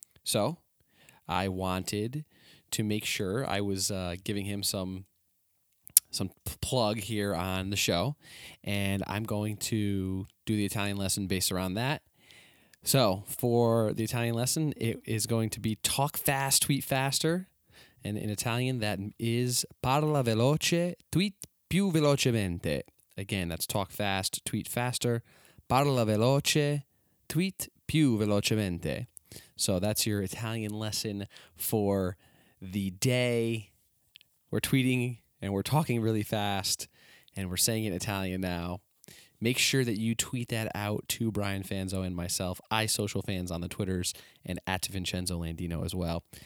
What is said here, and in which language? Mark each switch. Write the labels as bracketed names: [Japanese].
[English] So I wanted to make sure I was giving him some some plug here on the show, and I'm going to do the Italian lesson based around that. So for the Italian lesson, it is going to be talk fast, tweet faster. And in Italian, that is [Italian] parla veloce, tweet più velocemente. [English] Again, that's talk fast, tweet faster. [Italian] Parla veloce, tweet più velocemente. [English] So that's your Italian lesson for the day. We're tweeting and we're talking really fast and we're saying it in Italian now. Make sure that you tweet that out to Brian Fanzo and myself, iSocialFans on the Twitters, and at Vincenzo Landino as well.